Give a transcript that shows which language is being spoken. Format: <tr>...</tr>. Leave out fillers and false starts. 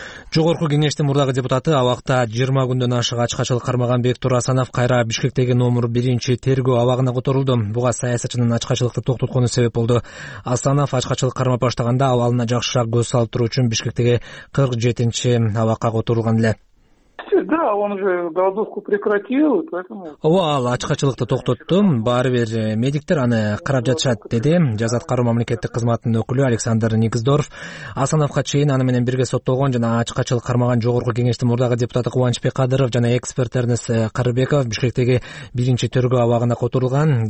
<ky>Жогорку кеңештин мурдагы депутаты абакта 20 ашык ачкачылык кармаган Бектур Асанов кайра Бишкектеги №1 тергөө абагына которулду. Буга саясатчынын ачкачылыкты токтоткону себеп болду. Асанов ачкачылык кармап баштаганда абалына жакшыраак көз салып туруу үчүн Бишкектеги 47 абакка которулган эле.</ky> <ru>Да, он же голодовку прекратил, поэтому...</ru> <ky>Ооба, ал ачкачылыкты токтотту, баары бир медиктер аны карап жатышат, деди жазат кармоо мамлекеттик кызматынын өкүлү Александр Никздоров. Асановко чейин аны менен бирге соттолгон жана ачкачылык кармаган Жогорку кеңештин мурдагы депутаты Кубанычбек Кадыров жана эксперт Эрнес Карыбеков Бишкектеги биринчи тергөө абагына которулган.</ky>